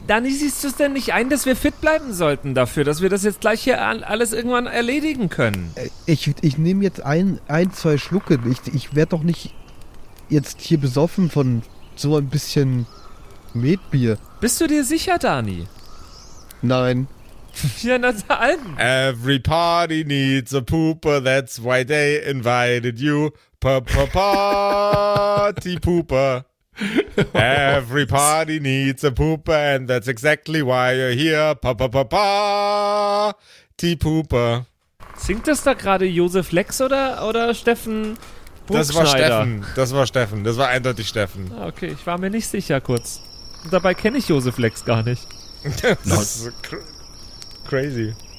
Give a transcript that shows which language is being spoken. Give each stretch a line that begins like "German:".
German: Dani, siehst du es denn nicht ein, dass wir fit bleiben sollten dafür, dass wir das jetzt gleich hier alles irgendwann erledigen können? Ich nehme jetzt ein, zwei Schlucke. Ich werde doch nicht jetzt hier besoffen von so ein bisschen Metbier. Bist du dir sicher, Dani? Nein. Ja, na dann.
English: Every party needs a pooper, that's why they invited you. Party pooper. Every party needs a pooper, and that's exactly why you're here. Party pooper.
German: Singt das da gerade Josef Lex oder Steffen Buchschneider? Das war Steffen. Das war eindeutig Steffen. Okay, ich war mir nicht sicher kurz. Dabei kenne ich Josef Lex gar nicht. Das ist crazy.